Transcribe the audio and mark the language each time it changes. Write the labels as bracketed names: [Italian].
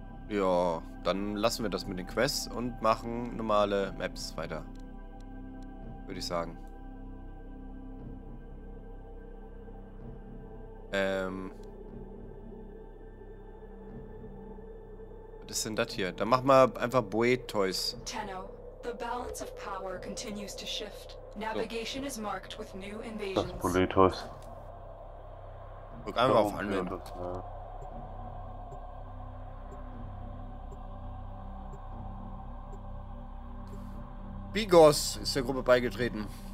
[German] Ja, dann lassen wir das mit den Quests und machen normale Maps weiter. Würde ich sagen. Was ist denn das hier? Dann machen wir einfach Boet-Toys. Tenno. [English] The balance of power continues to shift. Navigation is marked with new invasions. [German] Das Boletus. Guck einfach auf Handeln. Bigos ist der Gruppe beigetreten.